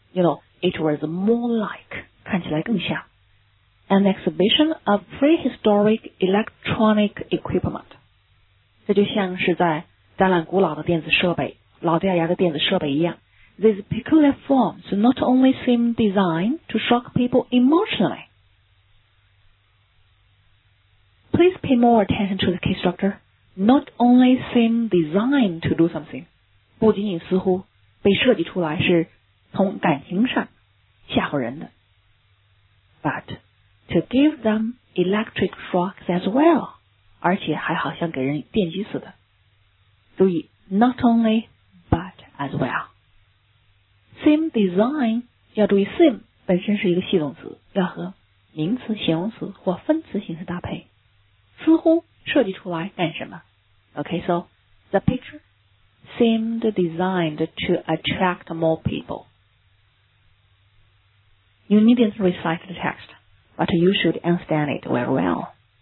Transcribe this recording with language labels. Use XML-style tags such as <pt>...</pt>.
<en>you know, it was more like,</en> <zh>看起来更像。</zh> <en>An exhibition of prehistoric electronic equipment.</en> <zh>这就像是在展览古老的电子设备，老掉牙的电子设备一样。</zh> <en>These peculiar forms not only seem designed to shock people emotionally. Please pay more attention to the key structure. Not only seem designed to do something.</en> <zh>不仅仅似乎被设计出来是从感情上吓唬人的。</zh> <en>But... To give them electric shocks as well.</en> <zh>而且还好像给人电击似的。注意</zh> <en>not only, but as well. Seem design,</en> <zh>要注意 seem 本身是一个系动词，要和名词、形容词或分词形式搭配。似乎设计出来干什么。</zh> <en>Okay, so, the picture seemed designed to attract more people. You needn't recite the text. But you should understand it very well.</en>